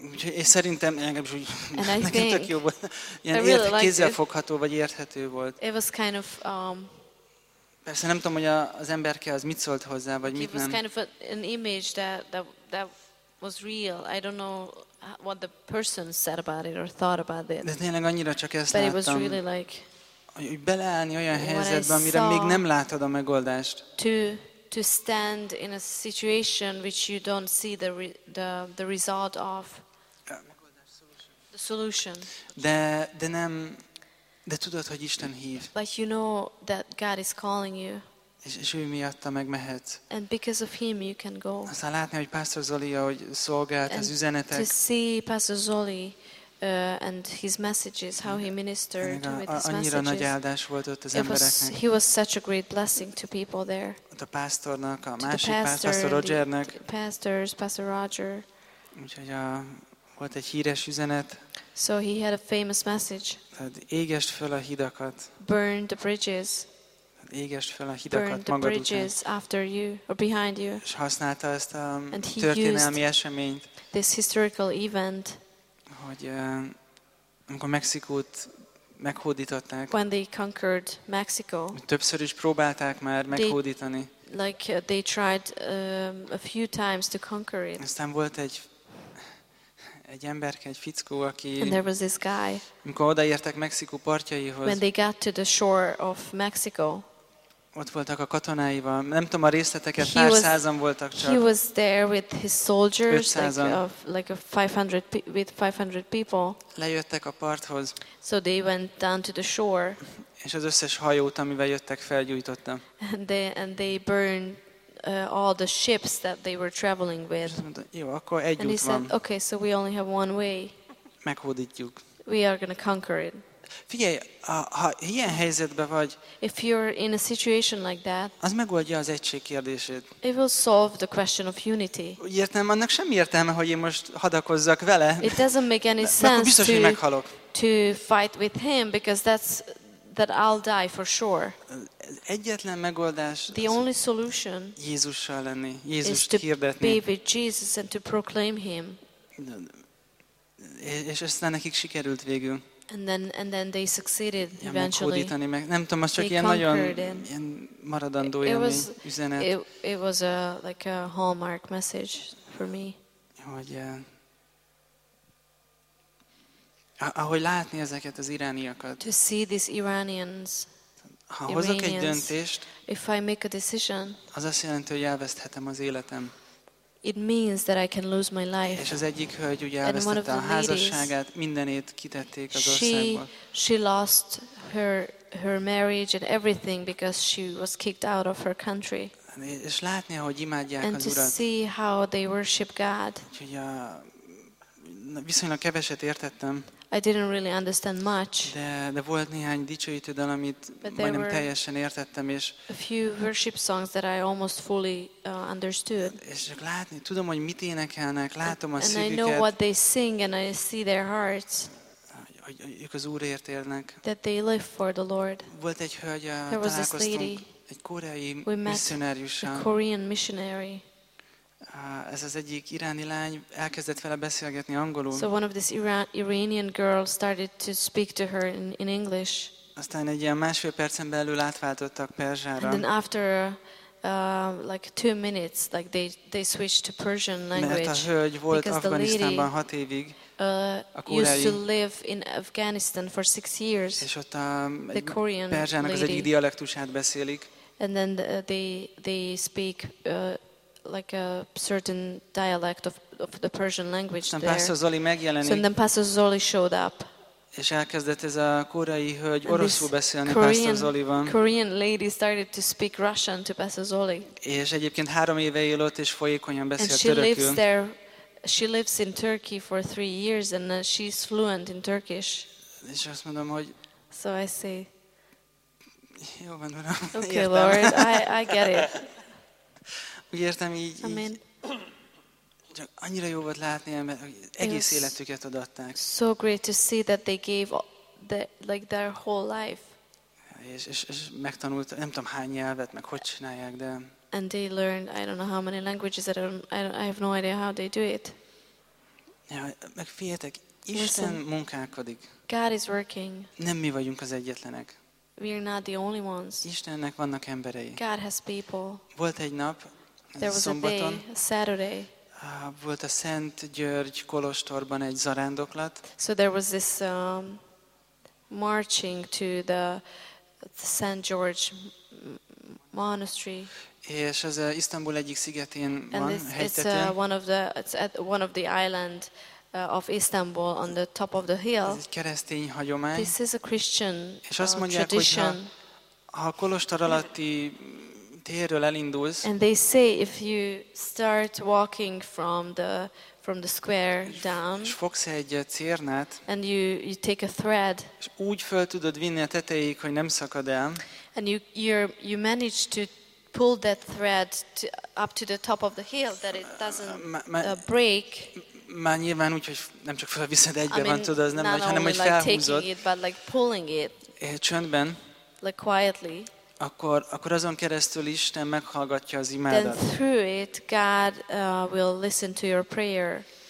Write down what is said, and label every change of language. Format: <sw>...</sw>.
<hu>És szerintem, nekem tök jó volt. Ilyen kézzel fogható, vagy érthető volt.</hu> <en>It was kind of,</en> <hu>persze nem tudom, hogy az emberke az mit szólt hozzá, vagy mit nem.</hu> <en>It was kind of an image that was real. I don't know what the person said about it or thought about it.</en> <hu>De tényleg annyira csak ezt</hu> <en>but</en> <hu>láttam.</hu> <en>But it was really like</en> <hu>hogy beleállni olyan helyzetbe, amire még nem látod a megoldást.</hu> <en>To stand in a situation which you don't see the result of. The solution.</en> <hu>De nem, de tudod, hogy Isten hív.</hu> <en>But you know that God is calling you.</en> <hu>És ő miatta megmehet.</hu> <en>And because of him you can go.</en> <hu>Aztán látni, hogy Pastor Zoli, ahogy szolgált az üzenetek.</hu> <en>To see Pastor Zoli and his messages, how he ministered with his messages.</en> <hu>Annyira nagy áldás volt ott az embereknek.</hu> <en>He was such a great blessing to people there.</en> <hu>A pásztornak, a másik pásztor Rogernek.</hu> <en>Pastors, Pastor Roger.</en> <hu>Úgyhogy volt egy híres üzenet.</hu> <en>So he had a famous message.</en> <hu>Égesd fel a hidakat.</hu> <en>Burn the bridges.</en> <hu>Égesd fel a hidakat magad után.</hu> <en>After you or behind you.</en> <hu>És használta ezt a történelmi eseményt.</hu> <en>This historical event.</en> <hu>Hogy amikor Mexikót meghódították.</hu> <en>When they conquered Mexico.</en> <hu>Többször is próbálták már meghódítani.</hu> <en>They tried a few times to conquer it.</en> <hu>Aztán volt egy emberke, egy fickó, aki.</hu> <en>And there was this guy.</en> <hu>Amikor odaértek Mexikó partjaihoz.</hu> <en>When they got to the shore of Mexico.</en> <hu>Ott voltak a katonáival. Nem tudom a részleteket, pár százan voltak csak.</hu> <en>He was there with his soldiers, like 500 with 500 people.</en> <hu>Lejöttek a parthoz.</hu> <en>So they went down to the shore.</en> <hu>És az összes hajót, amivel jöttek, felgyújtotta.</hu> <en>And they burned all the ships that they were traveling with.</en> <hu>Jó, akkor egy út van.</hu> <en>And he said, okay, so we only have one way.</en> <hu>Meghódítjuk.</hu> <en>We are going to conquer it.</en> <hu>Figyelj, ha ilyen helyzetben vagy,</hu> <en>if you're in a situation like that,</en> <hu>az megoldja az egység kérdését.</hu> <en>It will solve the question of unity.</en> <hu>Értem, annak semmi értelme, hogy én most hadakozzak vele.</hu> <en>It doesn't make any sense</en> <hu>biztos, hogy meghalok.</hu> <en>To fight with him because that I'll die for sure.</en> <hu>Egyetlen megoldás.</hu> <en>The only solution.</en> <hu>Jézussal lenni, Jézust hirdetni.</hu> <en>Be with Jesus and to proclaim him.</en> <hu>És aztán nekik sikerült végül.</hu> <en>And then they succeeded eventually.</en> <hu>Nem tudom, az csak ilyen nagyon ilyen maradandó üzenet.</hu> <en>It was a like a hallmark message for me.</en> <hu>Hogy ahogy látni ezeket az irániakat.</hu> <en>To see these Iranians.</en> <hu>Ha hozok egy döntést.</hu> <en>If I make a decision.</en> <hu>Az azt jelenti, hogy elveszthetem az életem.</hu> <en>It means that I can lose my life.</en> <hu>És az egyik hölgy ugye elvesztette a házasságát, mindenét kitették az országból.</hu> <en>She lost her marriage and everything because she was kicked out of her country.</en> <hu>És látni, hogy imádják az Urat.</hu> <en>And to see how they worship God.</en> <hu>Úgyhogy viszonylag keveset értettem.</hu> <en>I didn't really understand much.</en> <hu>De volt néhány dicsőítő dal, amit majdnem teljesen értettem, és</hu> <en>a few worship songs that I almost fully understood.</en> <hu>És csak látni, tudom, hogy mit énekelnek, látom a szívüket.</hu> <en>And I know what they sing and I see their hearts.</en> <hu>Ők az Úrért élnek.</hu> <en>That they live for the Lord.</en> <hu>Volt egy hölgy, találkoztunk egy koreai misszionáriussal.</hu> <en>A Korean missionary.</en> <hu>Ez az egyik iráni lány elkezdett vele beszélgetni angolul.</hu> <en>So one of this Iranian girls started to speak to her in English.</en> <hu>Aztán egy ilyen másfél percen belül átváltottak perzsára.</hu> <en>And then after like 2 minutes, like they switched to Persian language.</en> <hu>Mert a hölgy volt Afganisztánban 6 évig.</hu> <en>Used to live in Afghanistan for 6 years.</en> <hu>És ott</hu> <en>the Korean</en> <hu>perzsának az egyik dialektusát beszélik.</hu> <en>And then they speak like a certain dialect of the Persian language there.</en> <hu>Pastor Zoli megjelenik.</hu> <en>So then Pastor Zoli showed up.</en> <hu>És elkezdett ez a koreai hölgy oroszul beszélni Pastor Zolival.</hu> <en>Korean lady started to speak Russian to Pastor Zoli.</en> <hu>És egyébként 3 éve él ott, és folyékonyan beszél törökül.</hu> <en>And she lives there. She lives in Turkey for 3 years, and she's fluent in Turkish.</en> <hu>És azt mondom, hogy.</hu> <en>So I say.</en> <hu>Jó van, uram.</hu> <en>Okay, Lord, I get it.</en> <hu>Úgy értem, így,</hu> <en>I mean,</en> <hu>így csak annyira jó volt látni, mert egész életüket adatták.</hu> <en>So great to see that they gave like their whole life.</en> <hu>És megtanult, nem tudom hány nyelvet, meg hogy csinálják, de.</hu> <en>And they learned, I don't know how many languages, I have no idea how they do it.</en> <hu>Ja, meg figyeljetek, Isten munkálkodik.</hu> <en>God is working.</en> <hu>Nem mi vagyunk az egyetlenek.</hu> <en>We are not the only ones.</en> <hu>Istennek vannak emberei.</hu> <en>God has people.</en> <hu>Volt egy nap.</hu> <en>There was</en> <hu>szombaton.</hu> <en>A day, Saturday.</en> <hu>Volt a Szent György kolostorban egy zarándoklat.</hu> <en>So there was this marching to the Saint George monastery.</en> <hu>És ez Isztambul egyik szigetén van, hegytetén.</hu> <en>It's one of the island of Istanbul on the top of the hill.</en> <hu>Ez egy keresztény hagyomány.</hu> <en>This is a Christian tradition.</en> <hu>És azt mondják, hogy ha a kolostor alatti</hu> <en>and they say if you start walking from the from the square down.</en> <hu>És fogsz egy cérnát.</hu> <en>And you take a thread.</en> <hu>És úgy föl tudod vinni a tetejéig, hogy nem szakad el.</hu> <en>And you manage to pull that thread up to the top of the hill that it doesn't break.</en> <hu>Már nyilván úgy, hogy nem csak felviszed egybe,</hu> <en>I mean,</en> <hu>van, tudod, az nem, hanem hogy felhúzod.</hu> <en>It, but like pulling it.</en> <hu>Csöndben.</hu> <en>Like quietly.</en> <hu>Akkor azon keresztül Isten meghallgatja az imádat.</hu> <en>Then through it, God will listen to your prayer.</en>